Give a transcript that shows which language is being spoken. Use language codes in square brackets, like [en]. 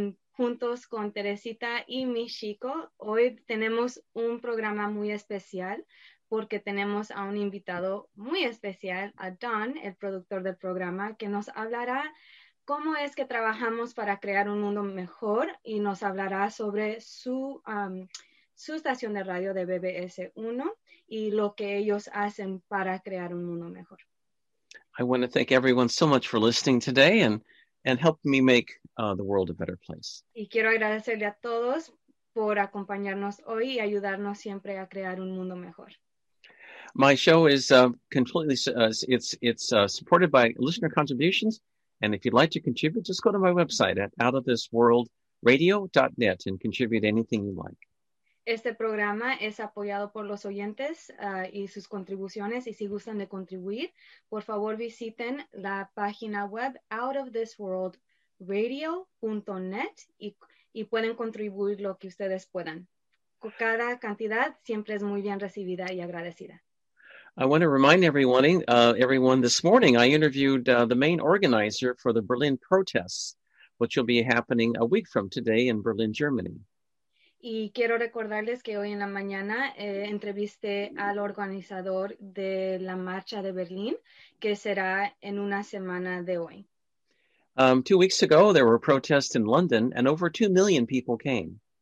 [es] Juntos con Teresita y Michiko, hoy tenemos un programa muy especial porque tenemos a un invitado muy especial, a Don, el productor del programa, que nos hablará cómo es que trabajamos para crear un mundo mejor y nos hablará sobre su estación de radio de BBS1 y lo que ellos hacen para crear un mundo mejor. [en] I want to thank everyone so much for listening today and helping me make the world a better place. [es] Y quiero agradecerle a todos por acompañarnos hoy y ayudarnos siempre a crear un mundo mejor. [en] My show is completely supported by listener contributions, and if you'd like to contribute, just go to my website at outofthisworldradio.net and contribute anything you like. [es] Este programa es apoyado por los oyentes y sus contribuciones. Y si gustan de contribuir, por favor visiten la página web outofthisworldradio.net y pueden contribuir lo que ustedes puedan. Cada cantidad siempre es muy bien recibida y agradecida. [en] I want to remind everyone this morning I interviewed the main organizer for the Berlin protests, which will be happening a week from today in Berlin, Germany. [es] Y quiero recordarles que hoy en la mañana entrevisté al organizador de la marcha de Berlín, que será en una semana de hoy. [en] 2 weeks ago, there were protests in London, and over 2 million people came.